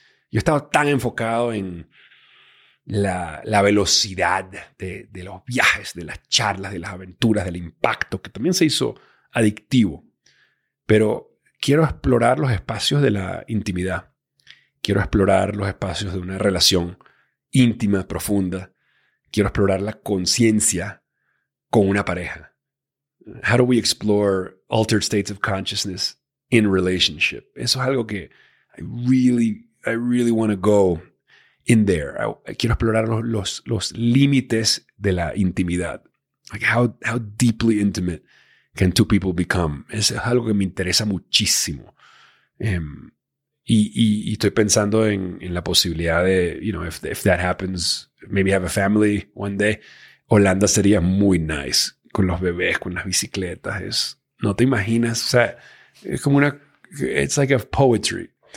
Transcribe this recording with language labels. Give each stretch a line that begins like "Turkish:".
Spanish: Yo he estado tan enfocado en la velocidad de los viajes, de las charlas, de las aventuras, del impacto, que también se hizo adictivo. Pero quiero explorar los espacios de la intimidad. Quiero explorar los espacios de una relación íntima, profunda. Quiero explorar la conciencia con una pareja.
English: How do we explore altered states of consciousness in relationship?
Spanish: Eso es algo que
English: I really want to go in there.
Spanish: Quiero explorar los límites de la intimidad.
English: Like how deeply intimate can two people become?
Spanish: Eso es algo que me interesa muchísimo. Y estoy pensando en la posibilidad de,
English: you know, if that happens, maybe have a family one day.
Spanish: Holanda sería muy nice con los bebés, con las bicicletas. Es, no te imaginas. O sea, es como una,
English: it's like a poetry.